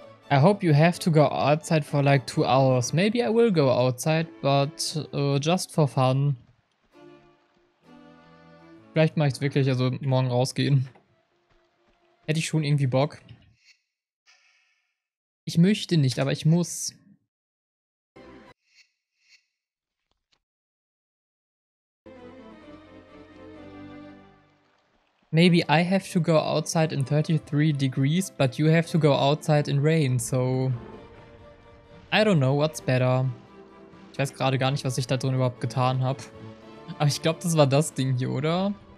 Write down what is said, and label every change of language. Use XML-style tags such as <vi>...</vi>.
<en>I hope you have to go outside for like 2 hours. Maybe I will go outside, but just for fun.</en> <de>Vielleicht mache ich es wirklich, also morgen rausgehen. Hätte ich schon irgendwie Bock. Ich möchte nicht, aber ich muss.</de> <en>Maybe I have to go outside in 33 degrees, but you have to go outside in rain, so. I don't know what's better.</en> <de>Ich weiß gerade gar nicht, was ich da drin überhaupt getan habe. Aber ich glaube, das war das Ding hier, oder?</de>